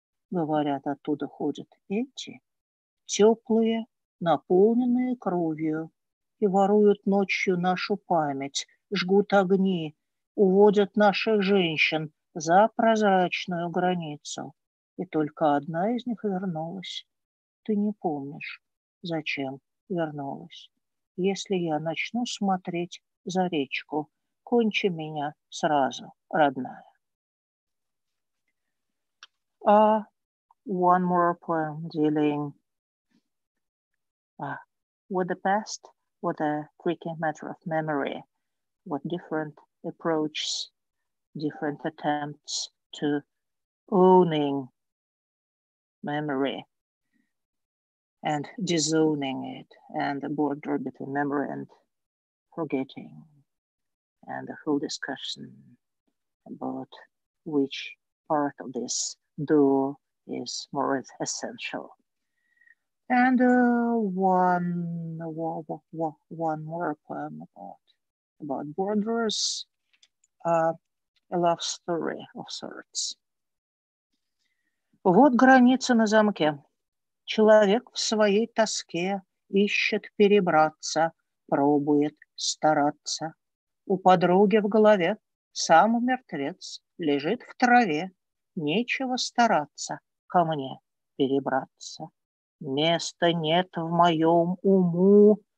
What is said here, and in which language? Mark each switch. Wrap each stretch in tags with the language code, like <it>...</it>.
<ru>Говорят, оттуда ходят эти теплые, наполненные кровью, и воруют ночью нашу память, жгут огни, уводят наших женщин за прозрачную границу. И только одна из них вернулась. Ты не помнишь, зачем вернулась. Если я начну смотреть за речку, кончи меня сразу, родная.</ru> <en>А one more poem dealing with the past, with a tricky matter of memory, with different approaches, different attempts to owning memory and disowning it, and the border between memory and forgetting, and the whole discussion about which part of this duo is more essential. And one more poem about borders, a love story of sorts.</en> <ru>Вот граница на замке. Человек в своей тоске ищет перебраться, пробует стараться. У подруги в голове сам мертвец лежит в траве. Нечего стараться ко мне перебраться. Места нет в моем уму,</ru>